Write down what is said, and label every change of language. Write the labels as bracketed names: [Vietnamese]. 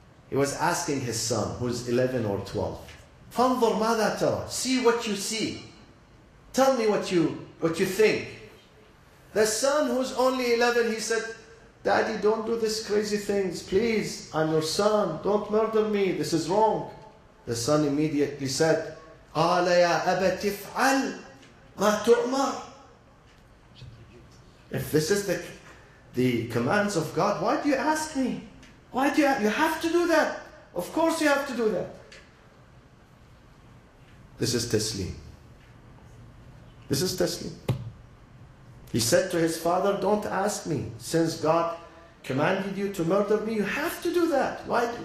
[English] He was asking his son, who's 11 or 12. [Arabic] فَانْظُرْ مَاذَا تَرَى. [English] See what you see. Tell me what you think. The son, who's only 11, he said, Daddy, don't do these crazy things. Please, I'm your son. Don't murder me. This is wrong. The son immediately said, [Arabic] قَالَ يَا أَبَتِ افْعَلْ مَا تُؤْمَرْ. [English] If this is the commands of God, why do you ask me? Why do you ask? You have to do that. Of course you have to do that. This is tasleem. This is tasleem. He said to his father, don't ask me. Since God commanded you to murder me, you have to do that. Why?